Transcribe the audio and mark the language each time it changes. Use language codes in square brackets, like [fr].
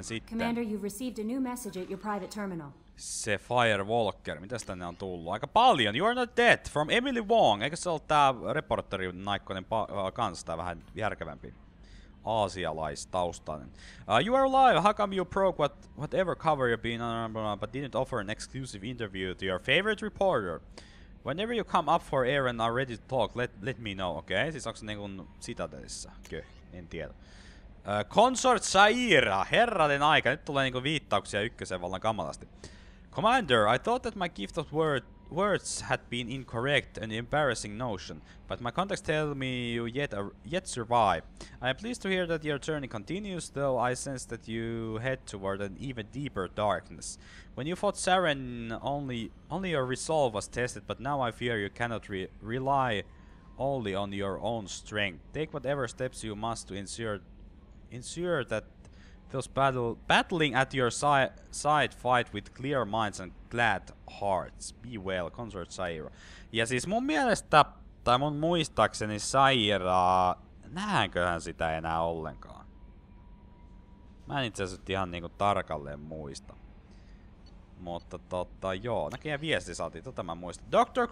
[en] Commander, you've received a new message at your private terminal. [fi] Se Firewalker, mitäs tänne on tullut? Aika paljon. [en] You are not dead from Emily Wong. [fi] Eikö se ole tää reporteri Naikkonen kans tää vähän järkevämpi? Aasialaistaustainen. [en] You are alive. How come you broke whatever cover you've been on, but didn't offer an exclusive interview to your favorite reporter? Whenever you come up for air and are ready to talk, let me know, okay? [fi] Siis onks se niinku Citadelissa? En tiedä. Consort Saira, herranen aika. Nyt tulee niinku viittauksia ykköseen vallan kamalasti. [en] Commander, I thought that my gift of words had been incorrect and embarrassing notion, but my contacts tell me you yet survive. I am pleased to hear that your journey continues, though I sense that you head toward an even deeper darkness. When you fought Saren, only your resolve was tested, but now I fear you cannot rely only on your own strength. Take whatever steps you must to ensure that those battling at your side fight with clear minds and glad hearts. Be well, Consort Saira. [fi] Ja siis mun mielestä, tai mun muistaakseni Sairaa, nähänköhän sitä enää ollenkaan? Mä en itse asiassa ihan niinku tarkalleen muista. Mutta tota joo, näköjään viesti saatiin, tota mä muistan. Dr.